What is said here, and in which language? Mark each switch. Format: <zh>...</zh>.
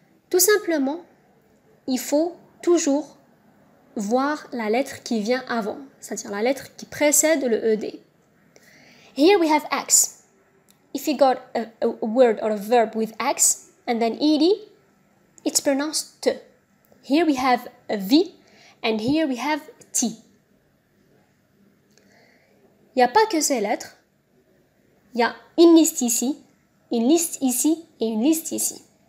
<fr>Tout simplement, il faut toujours voir la lettre qui vient avant, c'est-à-dire la lettre qui précède le ED.</fr> <en>Here we have X. If you got a word or a verb with X and then ED, it's pronounced T. Here we have a V and here we have T.</en> <fr>Il n'y a pas que ces lettres. Il y a une liste ici et une liste ici.</fr>